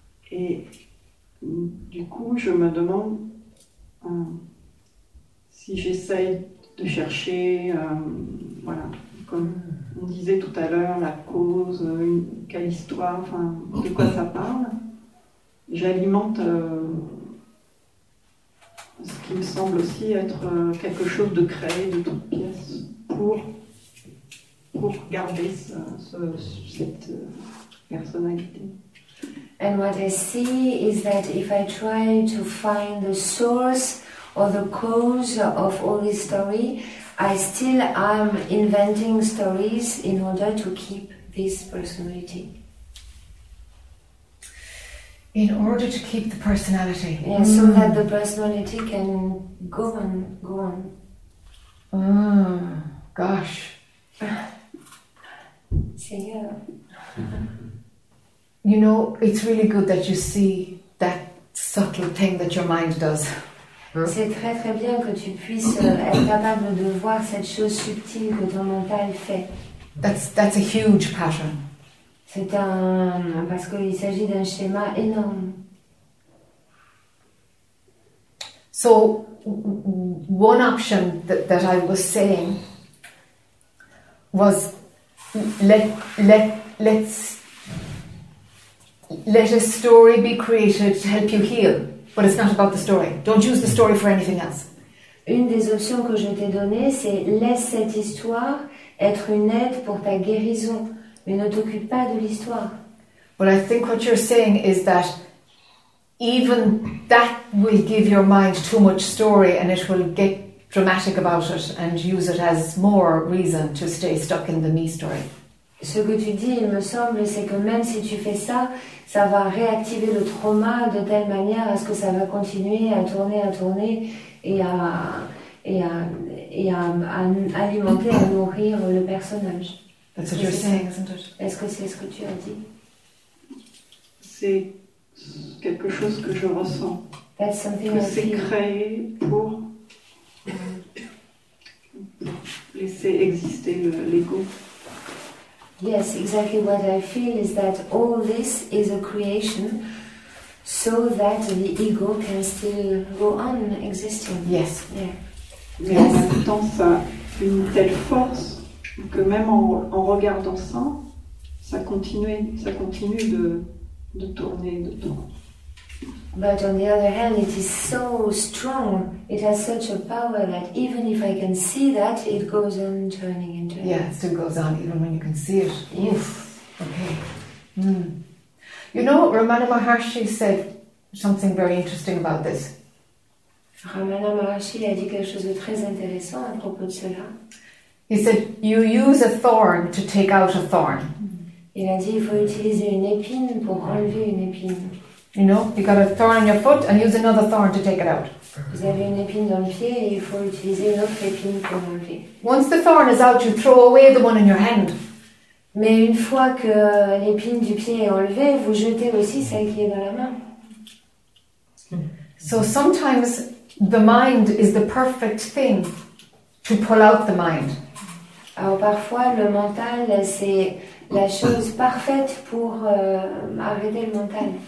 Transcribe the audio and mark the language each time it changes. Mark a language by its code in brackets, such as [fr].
[fr] Et du coup, je me demande si j'essaye de chercher, voilà, comme on disait tout à l'heure, la cause, quelle histoire, enfin, de quoi ça parle. J'alimente ce qui me semble aussi être quelque chose de créé, de toute pièce, pour garder cette personnalité. [en] And what I see is that if I try to find the source or the cause of all this story, I still am inventing stories in order to keep this personality. In order to keep the personality. Yeah, mm. So that the personality can go on. Oh, gosh. See ya. You know, it's really good that you see that subtle thing that your mind does. [fr] C'est très très bien que tu puisses être capable de voir cette chose subtile que ton mental fait. [en] That's a huge pattern. [fr] C'est un... parce qu'il s'agit d'un schéma énorme. [en] So, one option that I was saying was let a story be created to help you heal. But it's not about the story. Don't use the story for anything else. [fr] Une des options que je t'ai données, c'est laisse cette histoire être une aide pour ta guérison, mais ne t'occupe pas de l'histoire. [en] But I think what you're saying is that even that will give your mind too much story and it will get dramatic about it and use it as more reason to stay stuck in the me story. [fr] Ce que tu dis, il me semble, c'est que même si tu fais ça, ça va réactiver le trauma de telle manière à ce que ça va continuer à tourner et à alimenter, à nourrir le personnage. [en] That's what you're saying, isn't it? [fr] Est-ce que c'est ce que tu as dit? C'est quelque chose que je ressens. [en] That's something [fr] que c'est créé pour... laisser exister l'ego. [en] Yes, exactly what I feel is that all this is a creation so that the ego can still go on existing. Yes. [fr] Mais en même temps, ça a une telle force que même en regardant ça, ça continue de tourner, de tourner. [en] But on the other hand, it is so strong, it has such a power that even if I can see that, it goes on turning and turning. Yeah, it still goes on even when you can see it. Yes. Okay. Mm. You know, Ramana Maharshi said something very interesting about this. [fr] Ramana Maharshi a dit quelque chose de très intéressant à propos de cela. [en] He said, you use a thorn to take out a thorn. [fr] Il a dit, il faut utiliser une épine pour enlever une épine. [en] You know, you got a thorn in your foot and use another thorn to take it out. [fr] Vous avez une épine dans le pied et il faut utiliser une autre épine pour l'enlever. [en] Once the thorn is out, you throw away the one in your hand. [fr] Mais une fois que l'épine du pied est enlevée, vous jetez aussi celle qui est dans la main. [en] So sometimes the mind is the perfect thing to pull out the mind. [fr] Alors parfois le mental, c'est la chose parfaite pour arrêter le mental.